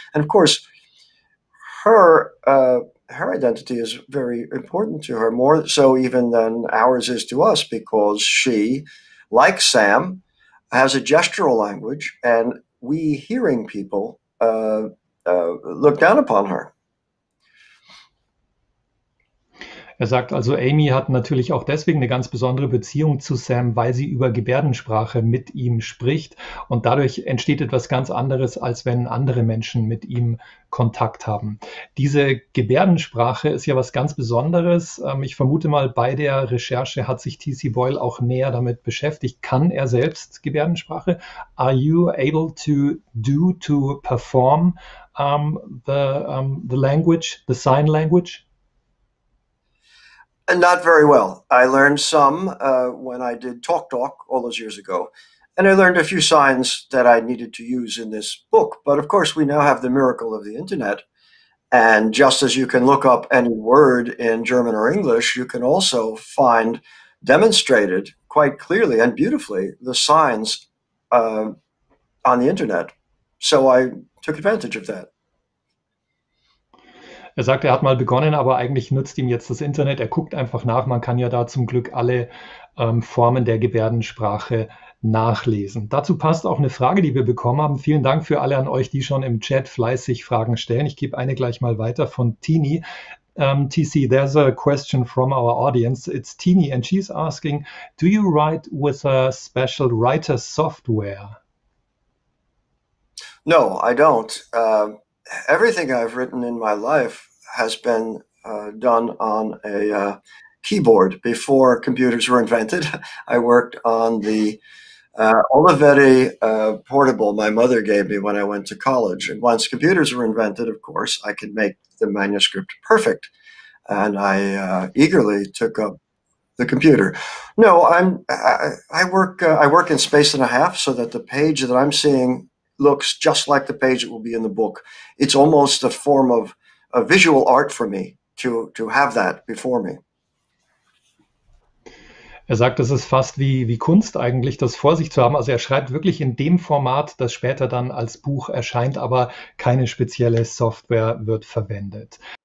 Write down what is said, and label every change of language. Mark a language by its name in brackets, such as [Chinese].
[English] And of course, her identity is very important to her, more so even than ours is to us, because she, like Sam, has a gestural language, and we hearing people, look down upon her. [German] Er sagt also, Amy hat natürlich auch deswegen eine ganz besondere Beziehung zu Sam, weil sie über Gebärdensprache mit ihm spricht. Und dadurch entsteht etwas ganz anderes, als wenn andere Menschen mit ihm Kontakt haben. Diese Gebärdensprache ist ja was ganz Besonderes. Ich vermute mal, bei der Recherche hat sich T.C. Boyle auch näher damit beschäftigt. Kann er selbst Gebärdensprache? [English] Are you able to do, to perform the language, the sign language? And not very well. I learned some when I did Talk Talk all those years ago, and I learned a few signs that I needed to use in this book. But of course, we now have the miracle of the internet, and just as you can look up any word in German or English, you can also find demonstrated quite clearly and beautifully the signs on the internet. So I took advantage of that. [German] Er sagt, er hat mal begonnen, aber eigentlich nützt ihm jetzt das Internet. Er guckt einfach nach. Man kann ja da zum Glück alle Formen der Gebärdensprache nachlesen. Dazu passt auch eine Frage, die wir bekommen haben. Vielen Dank für alle an euch, die schon im Chat fleißig Fragen stellen. Ich gebe eine gleich mal weiter von Tini. [English] TC, there's a question from our audience. It's Tini and she's asking, do you write with a special writer software? No, I don't. Everything I've written in my life has been done on a keyboard before computers were invented. I worked on the Olivetti portable my mother gave me when I went to college. And once computers were invented, of course, I could make the manuscript perfect. And I eagerly took up the computer. No, I work in space and a half, so that the page that I'm seeing looks just like the page that will be in the book. It's almost a form of a visual art for me to have that before me. [German] Er sagt, es ist fast wie Kunst eigentlich, das vor sich zu haben. Also er schreibt wirklich in dem Format, das später dann als Buch erscheint, aber keine spezielle Software wird verwendet.